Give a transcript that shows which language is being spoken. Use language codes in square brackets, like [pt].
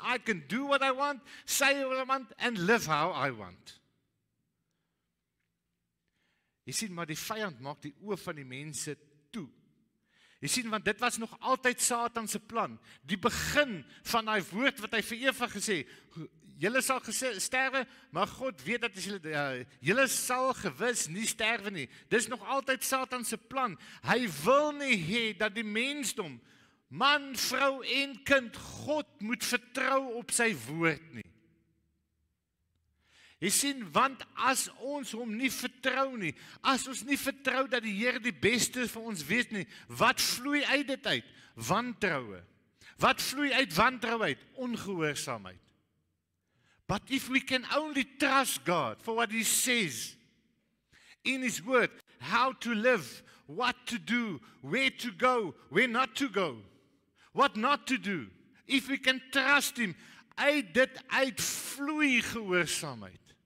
[en] I can do what I want, say what I want, and live how I want. [af] Jy sien, maar die vijand maak die oor van die mense toe. Jy sien, want dit was nog altyd Satan se plan. Die begin van die woord wat hy vir Eva gesê, jylle sal sterwe, maar God weet dat jylle sal gewis nie sterwe nie. Dit is nog altyd Satan se plan. Hy wil nie hee dat die mensdom, man, vrou en kind, God moet vertrou op sy woord nie. Jy sien, want as ons hom nie vertrou nie, as ons nie vertrou dat die Heer die beste vir ons weet nie, wat vloei uit dit uit? Wantroue. Wat vloei uit wantroue uit? Ongehoorsaamheid. [en] But if we can only trust God for what he says in his word, how to live, what to do, where to go, where not to go, what not to do, if we can trust him, [af] uit dit uit vloei gehoorsaamheid.